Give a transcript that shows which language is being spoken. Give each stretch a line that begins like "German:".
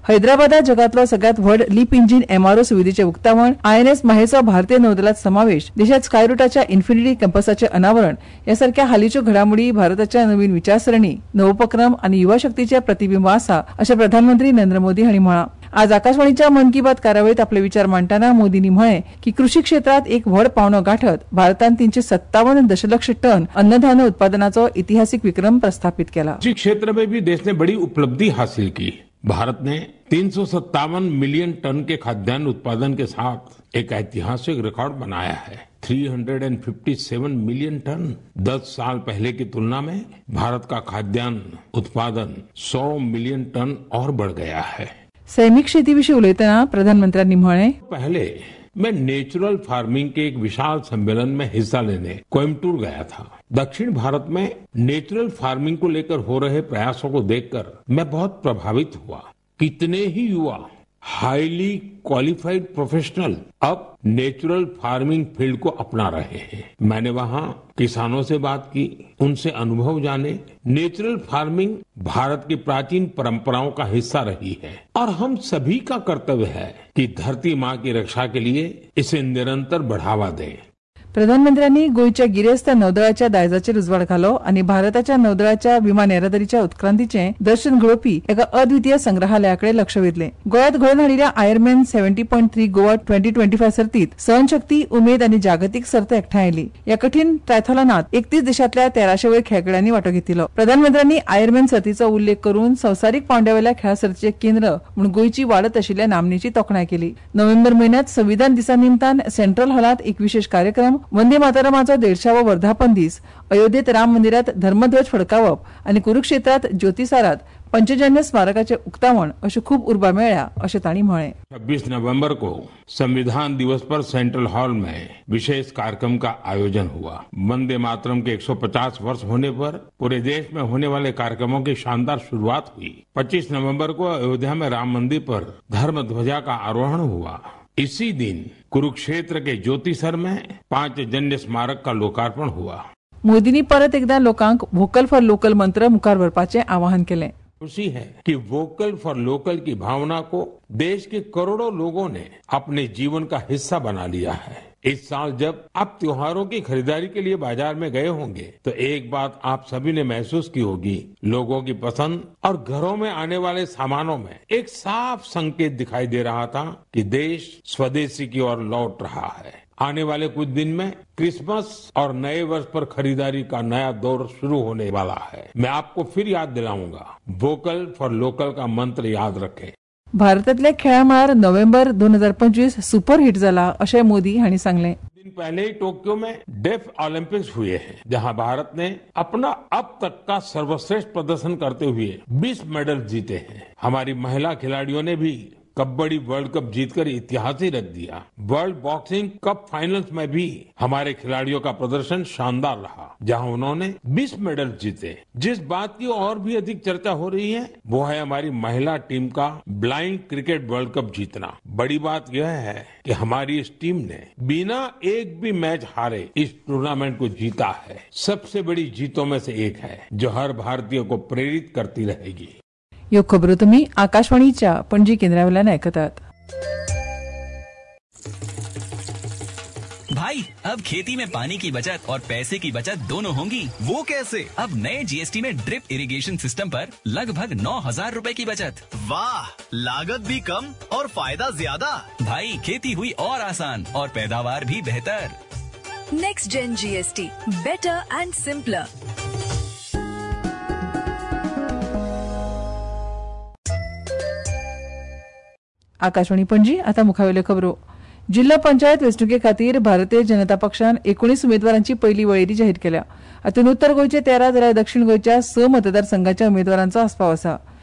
Konkani: हैदराबादात जगातलो सगळ्यात व्हड लीप इंजिन एमआरओ सुविधेचे उक्तावण, आयएनएस माहेचो भारतीय नौदलात समावेश, देशात स्कायरुटाच्या इन्फिनिटी कॅम्पसचे अनावरण यासारख्या हालीच्यो घडामोडी भारताच्या नवीन विचारसरणी, नवोपक्रम आणि युवा शक्तीचे प्रतिबिंब असा, असे प्रधानमंत्री नरेंद्र मोदी हांणी म्हळां. आज आकाशवाणीच्या मन की बात कार्यावळीत आपले विचार मांडताना मोदींनी म्हळे की कृषी क्षेत्रात एक व्हड पावणं गाठत भारतान 357 दशलक्ष टन अन्नधान्य उत्पादनाचा इतिहासिक विक्रम प्रस्थापित केला.
Hindi: कृषी क्षेत्र में भी देश ने बड़ी उपलब्धी हासिल की. भारत ने 357 मिलियन टन के खाद्यान्न उत्पादन के साथ एक ऐतिहासिक रिकॉर्ड बनाया है. 357 मिलियन टन 10 साल पहले की तुलना में भारत का खाद्यान्न उत्पादन 100 मिलियन टन और बढ़ गया है.
Konkani: सैमिक शेती विषयी उलयताना प्रधानमंत्र्यांनी म्हणे,
Hindi: पहले मैं नेचुरल फार्मिंग के एक विशाल संमेलन में हिस्सा लेने कोयम्बटूर गया था. दक्षिण भारत में नेचुरल फार्मिंग को लेकर हो रहे प्रयासों को देखकर मैं बहुत प्रभावित हुआ. कितने ही युवा हाईली क्वालिफाइड प्रोफेशनल अब नेचुरल फार्मिंग फील्ड को अपना रहे हैं. मैंने वहां किसानों से बात की, उनसे अनुभव जाने. नेचुरल फार्मिंग भारत की प्राचीन परंपराओं का हिस्सा रही है और हम सभी का कर्तव्य है कि धरती माँ की रक्षा के लिए इसे निरंतर बढ़ावा दें.
Konkani: प्रधानमंत्र्यांनी गोयच्या गिरेस्त नौदळाच्या दायजाचेर उजवाड घालो आणि भारताच्या नौदळाच्या विमान येरादारीच्या उत्क्रांतीचे दर्शन घडोवपी एका अद्वितीय संग्रहालयाकडे लक्ष वेधले. गोयात घडून हाडिल्या आयरमॅन 70.3 गोवा 2025 सर्तीत सहनशक्ती, उमेद आणि जागतिक सर्त एकठांय आयली. या कठीण ट्रायथलॉनात 31 देशातल्या 1300 वयर खेळगड्यांनी वाटो घेतिल्लो. प्रधानमंत्र्यांनी आयरमॅन सर्तीचो उल्लेख करून संसारीक पांवड्यावेल्या खेळ सर्तीचे केंद्र म्हणून गोयची वाढत आशिल्ल्या नामनेची तोखणाय केली. नोव्हेंबर महिन्यात संविधान दिसा निमतान सेंट्रल हॉलात एक विशेष कार्यक्रम, वंदे मातरमाचा 150वा वर्धापन दिस, अयोध्येत राम मंदिरात धर्मध्वज फडकावप आणि कुरुक्षेत्रात ज्योतिसारात पंचजन्य स्मारकाचे उक्तावण असे खूप उर्बा मेळ्या, असे त्यांनी म्हणे.
Hindi: 26 नोव्हेंबर को संविधान दिवस पर सेंट्रल हॉल में विशेष कार्यक्रम का आयोजन हुआ. वंदे मातरम के 150 वर्ष होने पर पूरे देश में होने वाले कार्यक्रमों की शानदार शुरुआत हुई. 25 नवम्बर को अयोध्या में राम मंदिर पर धर्म ध्वजा का आरोहण हुआ. इसी दिन कुरुक्षेत्र के ज्योतिसर में 5 जन्य स्मारक का लोकार्पण हुआ.
Konkani: मोदींनी परत एकदा लोकांक व्होकल फॉर लोकल मंत्र मुखार व्हरपाचे आवाहन केले.
Hindi: खुशी है कि वोकल फॉर लोकल की भावना को देश के करोड़ों लोगों ने अपने जीवन का हिस्सा बना लिया है. इस साल जब आप त्योहारों की खरीदारी के लिए बाजार में गए होंगे तो एक बात आप सभी ने महसूस की होगी, लोगों की पसंद और घरों में आने वाले सामानों में एक साफ संकेत दिखाई दे रहा था कि देश स्वदेशी की ओर लौट रहा है. आने वाले कुछ दिन में क्रिसमस और नए वर्ष पर खरीदारी का नया दौर शुरू होने वाला है. मैं आपको फिर याद दिलाऊंगा, वोकल फॉर लोकल का मंत्र याद रखें.
Konkani: भारतातल्या खेळामळार नोव्हेंबर 2025 सुपर हिट झाला, असे मोदी यांनी सांगले.
Hindi: पहले ही टोक्यो में डेफ ऑलिम्पिक्स हुए हैं, जहां भारत ने अपना अब तक का सर्वश्रेष्ठ प्रदर्शन करते हुए 20 मेडल जीते हैं. हमारी महिला खिलाड़ियों ने भी कबड्डी वर्ल्ड कप जीतकर इतिहास ही रख दिया. वर्ल्ड बॉक्सिंग कप फाइनल्स में भी हमारे खिलाड़ियों का प्रदर्शन शानदार रहा, जहां उन्होंने 20 मेडल जीते. जिस बात की और भी अधिक चर्चा हो रही है वो है हमारी महिला टीम का ब्लाइंड क्रिकेट वर्ल्ड कप जीतना. बड़ी बात यह है कि हमारी इस टीम ने बिना एक भी मैच हारे इस टूर्नामेंट को जीता है. सबसे बड़ी जीतों में से एक है जो हर भारतीय को प्रेरित करती रहेगी.
Konkani: ह्यो खबरो तुम्ही आकाशवाणीच्या पणजी केंद्रावेळान ऐकतात.
Hindi: भाई, अब खेती में पानी की बचत और पैसे की बचत दोनों होंगी. वो कैसे? अब नए जीएसटी में ड्रिप इरिगेशन सिस्टम पर लगभग 9,000 रुपए की बचत. वाह, लागत भी कम और फायदा ज्यादा. भाई, खेती हुई और आसान और पैदावार भी बेहतर.
English: Next gen GST, better and simpler. Thank you.
Konkani: Akashvani पणजी आता मुखावेल्यो खबरो. जिल्हा पंचायत वेंचणुके खातीर भारतीय जनता पक्षान 19 उमेदवारांची पहिली वळेरी जाहीर केल्या. हातून उत्तर गोंयचे 13 जाल्यार दक्षिण गोंयच्या 6 मतदारसंघाच्या उमेदवारांचो आसपाव आसा.